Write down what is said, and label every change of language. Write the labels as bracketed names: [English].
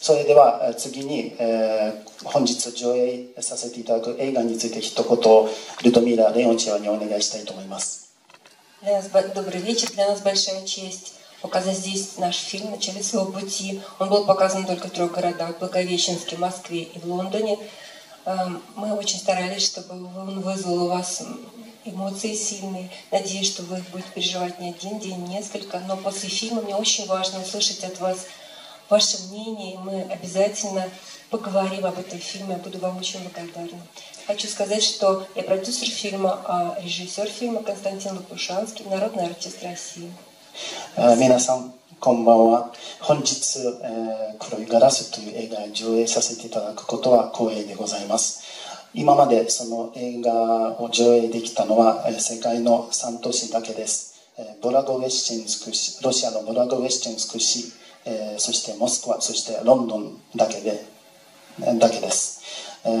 [Japanese] それでは次に、本日上映させていただく映画について一言ルドミラ・レオンチェワにお願いしたいと思います。 [Russian] Добрый вечер. Для нас большая честь показать здесь наш фильм «Начали своего пути». Он был показан только в трех городах: Благовещенске, Москве и в Лондоне. Мы очень старались, чтобы он вызвал у вас эмоции сильные. Надеюсь, что вы их будете переживать не один день, несколько. Но после фильма мне очень важно услышать от вас ваше мнение. Мы обязательно поговорим об этом фильме. Я буду вам очень благодарна. Хочу сказать, что я продюсер фильма, а режиссер фильма Константин Лопушанский, народный артист России. [Japanese] Минасан, конбанва. 本日、黒いガラスという映画を上映させていただくことは光栄でございます。今までその映画を上映できたのは世界の3都市だけです。ボラゴウェシチェンスク市、ロシアのボラゴウェシチェンスク市、そしてモスクワ、そしてロンドンだけです。